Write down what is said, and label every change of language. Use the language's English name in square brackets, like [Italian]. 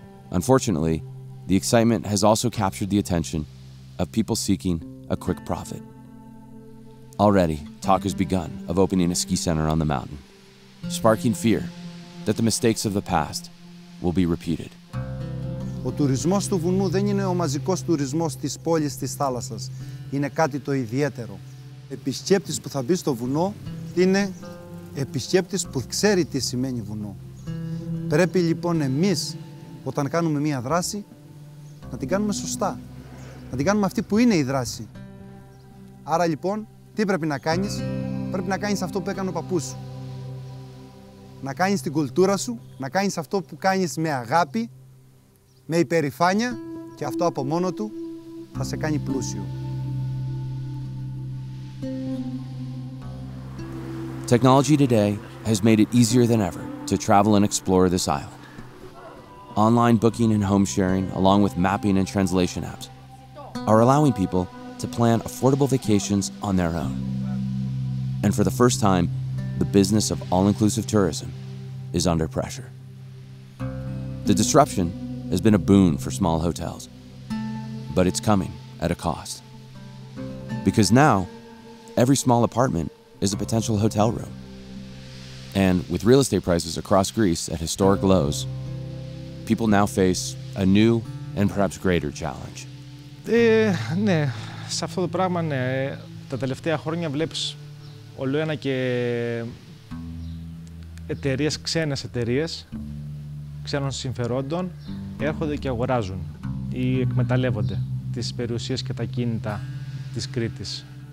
[English] Unfortunately, the excitement has also captured the attention of people seeking a quick profit. Already, talk has begun of opening a ski center on the mountain, sparking fear that the mistakes of the past will be repeated. [Greek] Ο τουρισμός του βουνού δεν είναι ο μαζικός τουρισμός της πόλης της θάλασσας. Είναι κάτι το ιδιαίτερο. Επισκέπτης που θα μπει στο βουνό είναι επισκέπτης που ξέρει τι σημαίνει βουνό. Πρέπει λοιπόν εμείς όταν κάνουμε μία δράση να την κάνουμε σωστά. Να την κάνουμε αυτή που είναι η δράση. Άρα λοιπόν τι πρέπει να κάνεις. Πρέπει να κάνεις αυτό που έκανε ο παππούς σου. Να κάνεις την κουλτούρα σου, να κάνεις αυτό που κάνεις με αγάπη, με υπερηφάνεια και αυτό από μόνο του θα σε κάνει πλούσιο. [English] Technology today has made it easier than ever to travel and explore this island. Online booking and home sharing, along with mapping and translation apps, are allowing people to plan affordable vacations on their own. And for the first time, the business of all-inclusive tourism is under pressure. The disruption has been a boon for small hotels, but it's coming at a cost. Because now, every small apartment is a potential hotel room. And with real estate prices across Greece at historic lows, people now face a new and perhaps greater challenge. [Greek] Ναι, σε αυτό το πράγμα, ναι. Τα τελευταία χρόνια βλέπεις όλο ένα και εταιρείες, ξένες εταιρείες, ξένων συμφερόντων, έρχονται και αγοράζουν ή εκμεταλλεύονται τις περιουσίες και τα κίνητα της Κρήτης.